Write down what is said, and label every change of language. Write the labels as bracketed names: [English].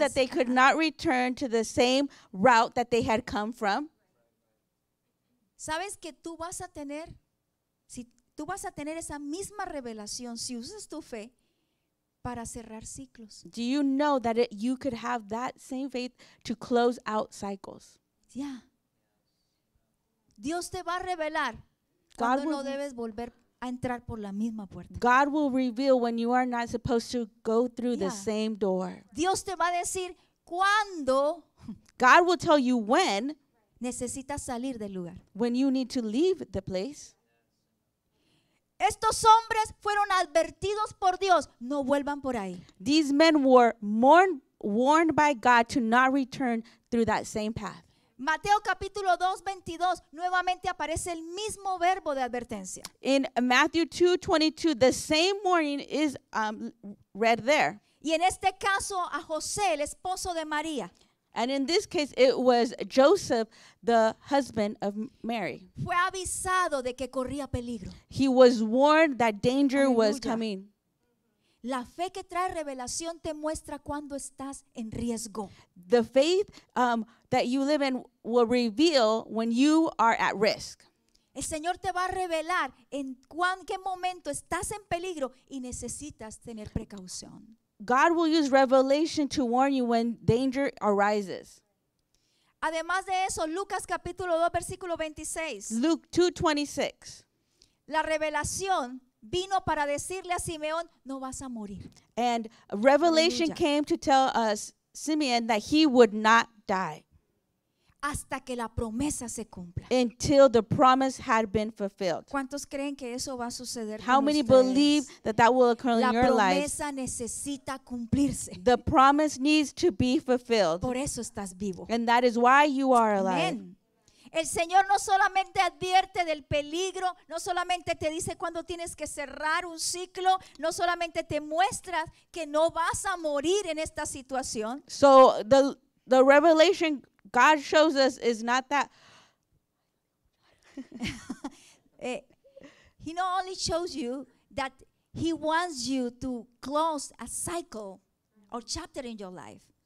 [English] that they could not return to the same route that they had come from. [Spanish] ¿Sabes que tú vas a tener, si tú vas a tener esa misma revelación si usas tu fe para cerrar ciclos? [English] Do you know that it, you could have that same faith to close out cycles? Yeah. [Spanish] Dios te va a revelar cuando no debes volver a entrar por la misma puerta. [English] God will reveal when you are not supposed to go through yeah. the same door. [Spanish] Dios te va a decir cuándo. [English] God will tell you when. [Spanish] Necesitas salir del lugar. [English] When you need to leave the place. [Spanish] Estos hombres fueron advertidos por Dios. No vuelvan por ahí. [English] These men were warned by God to not return through that same path. [Spanish] Mateo capítulo 2, 22, nuevamente aparece el mismo verbo de advertencia. [English] In Matthew 2, 22, the same warning is read there. [Spanish] Y en este caso a José, el esposo de María. [English] And in this case, it was Joseph, the husband of Mary. [Spanish] Fue avisado de que corría peligro. [English] He was warned that danger [Spanish] Aleluya. [English] Was coming. [Spanish] La fe que trae revelación te muestra cuando estás en riesgo. [English] The faith that you live in will reveal when you are at risk. [Spanish] El Señor te va a revelar en qué momento estás en peligro y necesitas tener precaución. [English] God will use revelation to warn you when danger arises. [Spanish] Además de eso, Lucas capítulo 2, versículo 26. [English] Luke 2:26. [Spanish] La revelación vino para decirle a Simeón, no vas a morir. [English] And revelation [Spanish] Aleluya. [English] Came to tell us Simeon that he would not die. [Spanish] Hasta que la promesa se cumpla. [English] Until the promise had been fulfilled. [Spanish] ¿Cuántos creen que eso va a suceder? [English] How many believe that that will occur in your life? [Spanish] La promesa necesita cumplirse. [English] The promise needs to be fulfilled. [Spanish] Por eso estás vivo. [English] And that is why you are alive. Amen. [Spanish] El Señor no solamente advierte del peligro, no solamente te dice cuando tienes que cerrar un ciclo, no solamente te muestra que no vas a morir en esta situación. [English] So the revelation God shows us is not that. He not only shows you that he wants you to close a cycle or chapter in your life.